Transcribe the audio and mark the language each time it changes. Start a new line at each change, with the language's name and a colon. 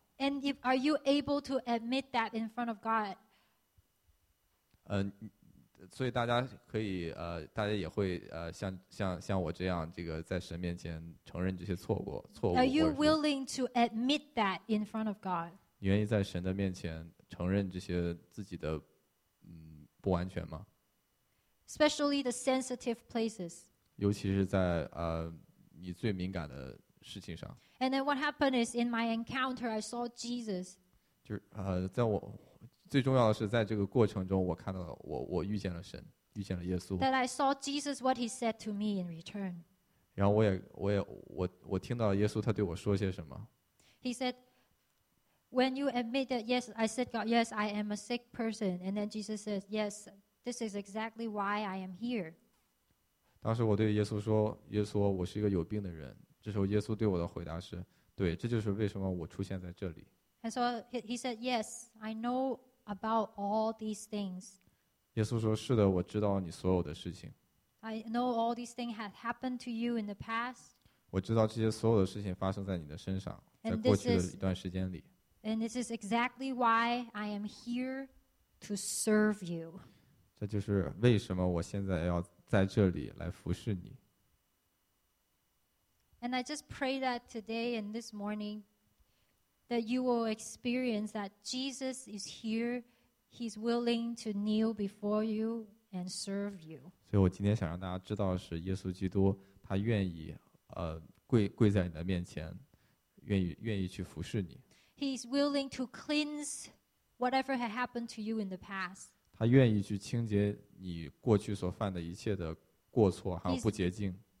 English: And if are you able to admit that in front of God?
Chinese: 所以大家可以大家也会像我这样这个在神面前承认这些错误。
English: Are you willing to admit that in front of God?
Chinese: 你愿意在神的面前承认这些自己的不完全吗
English: ？Especially the sensitive places.
Chinese: 尤其是在你最敏感的。事情上
English: And then what happened is in my encounter, I saw Jesus.
Chinese: 就在我最重要的是在这个过程中，我看到了我遇见了神，遇见了耶稣。
English: That I saw Jesus what he said to me in return.
Chinese: 然后我听到耶稣他对我说些什么。
English: He said, "When you admit that, yes, I said, God, yes, I am a sick person." And then Jesus says, "Yes, this is exactly why I am here."
Chinese: 当时我对耶稣说，耶稣，我是一个有病的人。这时候耶稣对我的回答是对这就是为什么我出现在这里
English: And so he said yes I know about all these things
Chinese: 耶稣说是的我知道你所有的事情
English: I know all these things have happened to you in the past
Chinese: 我知道这些所有的事情发生在你的身上在过去的一段时间里
English: And this is exactly why I am here to serve you
Chinese: 这就是为什么我现在要在这里来服侍你
English: And I just pray that today and this morning that you will experience that Jesus is here. He's willing to kneel before you and serve you.
Chinese: 所以我今天想让大家知道是耶稣基督他愿意 跪在你的面前 愿意去服侍你。
English: He's willing to cleanse whatever had happened to you in the past.
Chinese: 他愿意去清洁你过去所犯的一切的过错还有不洁净。